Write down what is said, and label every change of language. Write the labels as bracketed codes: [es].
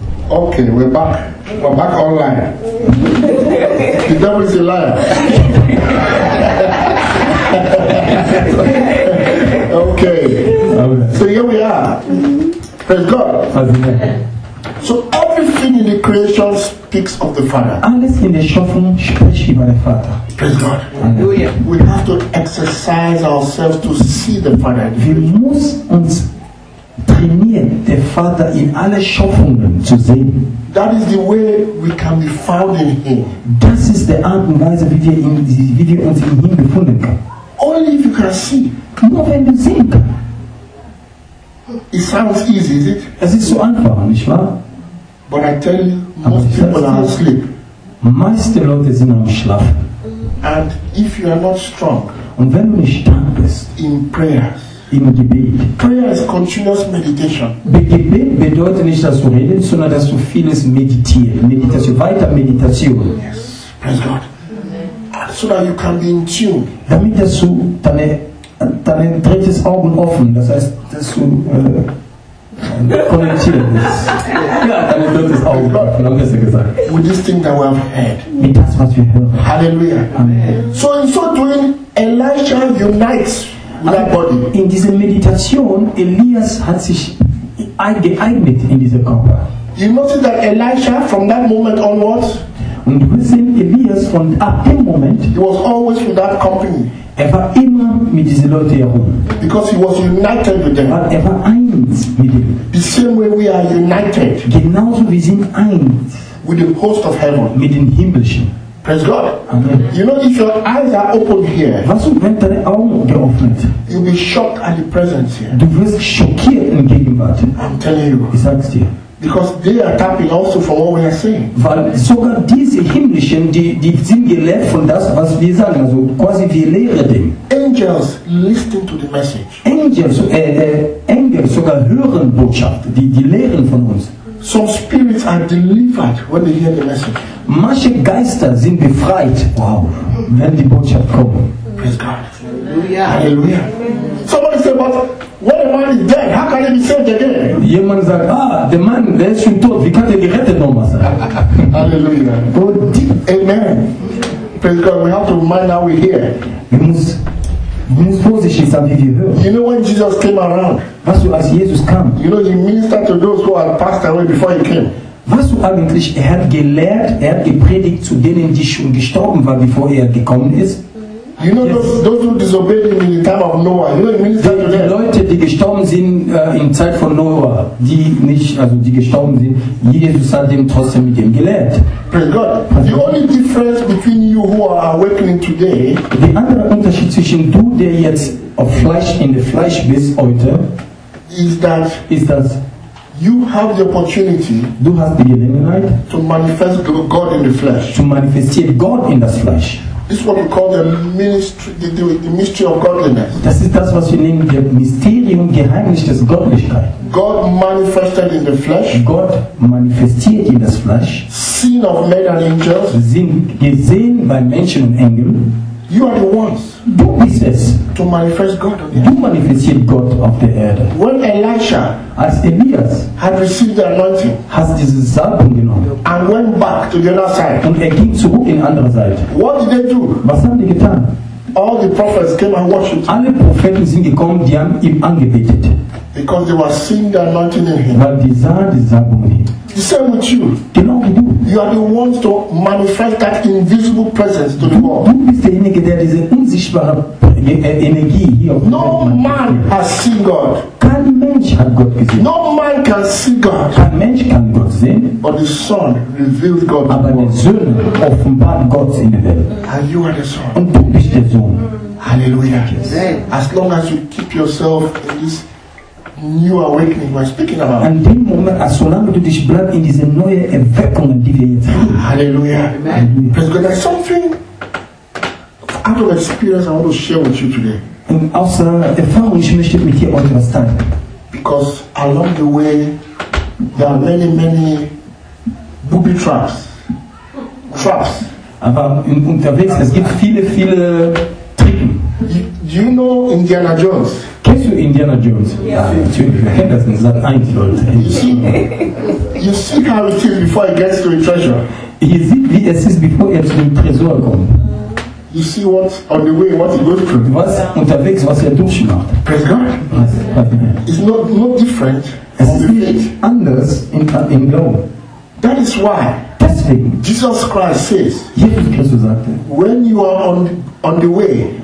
[en] Okay, we're back online. The devil is a liar. Okay. So here we are. Praise God. Amen. So everything in the creation speaks of the Father. [de] Alles in der Schöpfung spricht über den Vater. [en] Praise God. Hallelujah. We have to exercise ourselves to see the Father. [de] Wir müssen uns trainieren, den Vater in alle Schöpfungen zu sehen. [en] That is the way we can be found in Him. [de] Das ist die Art und Weise, wie wir uns in ihm gefunden haben. [en] Only if you can see. [de] Nur wenn du sehen kannst. [en] It sounds easy, is it? [de] Es ist so einfach, nicht wahr? [en] But I tell you, most people are asleep. [de] Meiste Leute sind am Schlafen. [en] And if you are not strong, [de] und wenn du nicht stark bist, [en] in prayers, [de] im Gebet. [en] Prayer is continuous meditation. [de] Gebet bedeutet nicht, dass du redest, sondern dass du vieles meditierst, Meditation, weiter Meditation. [en] Yes, praise God. So that you can be in tune. [de] Damit dass du dein drittes Augen offen, das heißt, dass du konnektiert bist. Ja, dein drittes Auge offen, haben wir es ja gesagt. [en] With this thing that we have heard. [de] Mit das, was wir hören. Halleluja. [en] Amen. So in so doing, Elisha unites with that body. [de] In dieser Meditation, Elias hat sich geeignet in dieser Körper. [en] You notice that Elisha, from that moment onwards, [de] und wir sehen Elias von ab dem Moment, [en] he was always with that company. [de] Er war immer mit diesen Leuten herum. [en] Because he was united with them. [de] Er war eins mit ihnen. [en] The same way we are united. [de] Genauso wie sind eins [en] with the host of heaven. [de] Mit dem Himmlischen. [en] Praise God. Amen. You know, if your eyes are open here, [de] was und wenn deine Augen geöffnet, [en] you'll be shocked at the presence here. [de] Du wirst schockiert in Gegenwart. [en] I'm telling you. [de] Ich sag's dir. [en] Because they are tapping also from what we are saying. [de] Weil sogar diese Himmlischen, die sind gelehrt von das, was wir sagen. Also quasi wir lehren dem. [en] Angels listen to the message. [de] Angels, Engel sogar hören Botschaft, die lehren von uns. [en] Some spirits are delivered when they hear the message. [de] Manche Geister sind befreit. Wow, wenn die Botschaft kommt. [en] Praise God. Hallelujah. Hallelujah. Somebody say, but what a man is dead. How can he be saved again? [de] Jemand sagt, der Mann, der ist schon tot. Wie kann er gerettet nochmal sein? [en] Hallelujah. God deep. Amen. Praise God. We have to remind how we hear. [de] Wir müssen vorsichtig sein, wie wir hören. [en] You know when Jesus came around? [de] Was du als Jesus kam? [en] You know he ministered to those who had passed away before he came. [de] Was du eigentlich? Er hat gelehrt, er hat gepredigt zu denen, die schon gestorben waren, bevor er gekommen ist. [en] You know, yes. Those who disobeyed him in the time of Noah. You know, [de] die Leute, die gestorben sind in Zeit von Noah, die gestorben sind, Jesus hat dem trotzdem mit ihm gelehrt. [en] Praise God. The only difference between you who are awakening today. [de] Der andere Unterschied zwischen du, der jetzt auf Fleisch in der Fleisch bist heute, ist das. [en] You have the opportunity. [de] Du hast die Gelegenheit, [en] to manifest God in the flesh. [de] Zu manifestieren Gott in das Fleisch. [en] This is what we call the ministry, the mystery of godliness. [de] Das ist das, was wir nennen, der Mysterium, Geheimnis des Gottlichkeit. [en] God manifested in the flesh. [de] Gott manifestiert in das Fleisch. [en] Seen of men and angels. [de] Gesehen bei Menschen und Engeln. [en] You are the ones. [de] Du bist es. [en] To manifest God. [de] Du manifestierst Gott auf der Erde. [en] When Elisha, [de] als Elias, [en] had received the anointing, [de] hat diesen Salbung genommen, [en] and went back to the other side, [de] und er ging zurück in andere Seite. [en] What did they do? [de] Was haben die getan? [en] All the prophets came and worshipped. [de] Alle Propheten sind gekommen, die haben ihm angebetet. [en] Because they were seeing the anointing in him. [de] Weil die sahen die Salbung in ihm. [en] The same with you. [de] Genau wie du. [en] You are the ones to manifest that invisible presence to the world. [de] Du bist derjenige, der diese unsichtbare Energie hier. [en] No man has seen God. [de] Kein Mensch hat Gott gesehen. [en] No man can see God. [de] Kein Mensch kann Gott sehen. [en] But the Son reveals God. [de] Aber der Sohn offenbart Gott in der Welt. [en] And you are the Son. [de] Und du bist der Sohn. [en] Hallelujah. Yes. As long as you keep yourself in this new awakening we're speaking about. [de] An dem Moment, als solange du dich bleibst in diese neue Erweckung, die wir jetzt haben. Halleluja. [en] Amen. Praise God. There's something out of experience I want to share with you today. [de] Und aus Erfahrung, ich möchte mit dir heute was teilen. [en] Because along the way, there are many, many booby traps. Traps. [de] Aber unterwegs, es gibt viele, viele Tricken. [en] Do you know Indiana Jones? [de] Kennst du Indiana Jones? Ja, natürlich. Wir kennen das nicht. Sag eins, Leute. [en] You see how it is before it gets to the treasure. [de] Ihr seht, wie es ist, bevor er zu dem Tresor kommt. [en] you see what on the way what he goes through. [de] Was unterwegs, was durchmacht. [en] Praise God. It's not different. [de] Es ist nicht anders in Glauben. [en] That is why. [de] Deswegen. [en] Jesus Christ says. [de] Jesus Christus sagte. [en] When you are on the way.